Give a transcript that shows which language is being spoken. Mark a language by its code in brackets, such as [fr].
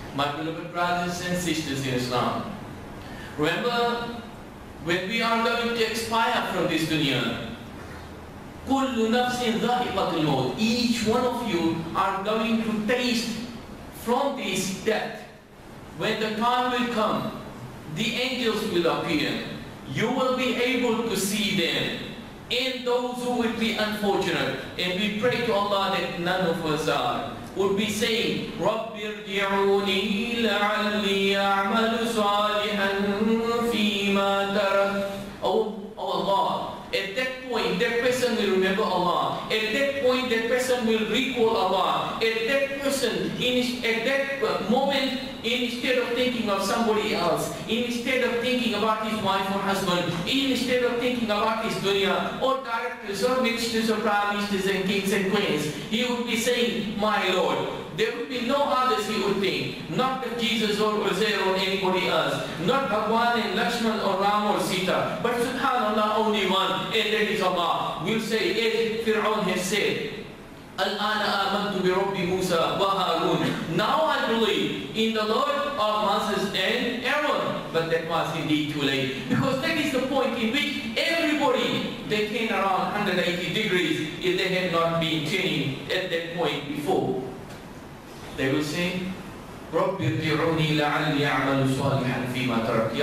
[en] My beloved brothers and sisters in Islam, remember, when we are going to expire from this dunya, kullu nafsin dha'iqatul maut, each one of you are going to taste from this death. When the time will come, the angels will appear. You will be able to see them and those who will be unfortunate. And we pray to Allah that none of us are. Would be saying, [ar] رَبِّ ارْجِعُونِي لَعَلِّي أَعْمَلُ صَالِحًا فِيمَا تَرَكْتُ. [en] Oh Allah, at that point that person will remember Allah. At that point that person will recall Allah. At that person, at that moment, instead of thinking of somebody else, instead of thinking about his wife or husband, instead of thinking about his dunya, or directors, or ministers, or prime ministers, and kings and queens, he would be saying, my Lord. There would be no others he would think. Not Jesus or Uzair or anybody else. Not Bhagwan and Lakshman or Ram or Sita. But subhanAllah, only one, and that is Allah. We'll say, as Fir'aun has said, [ar] Al-Ana amantu bi Rabbi Musa wa Harun. [en] Now I believe in the Lord of Moses and Aaron. But that was indeed too late. Because that is the point in which everybody, they came around 180 degrees if they had not been changed at that point before. They will say, [ar] رَبِّ ارْجِعُونِي لَعَلِّي أَعْمَلُ صَالِحًا فِيمَا تَرَكْتُ.